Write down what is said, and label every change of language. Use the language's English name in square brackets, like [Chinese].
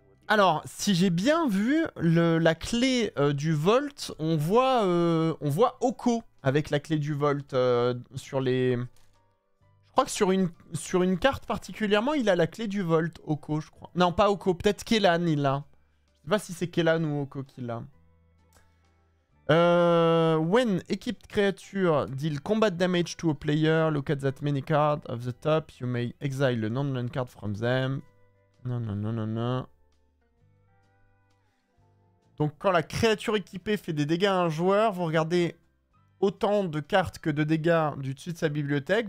[French] Alors, si j'ai bien vu la clé du Vault, on voit Oko avec la clé du Vault sur les... Je crois que sur une carte particulièrement, il a la clé du Vault, Oko, je crois. Non, pas Oko, peut-être Kellan, il l'a. Je sais pas si c'est Kellan ou Oko qui l'a. [English] When equipped creature deal combat damage to a player, look at that many card of the top, you may exile a non-land card from them. [French] Non. Donc quand la créature équipée fait des dégâts à un joueur, vous regardez... Autant de cartes que de dégâts du dessus de sa bibliothèque.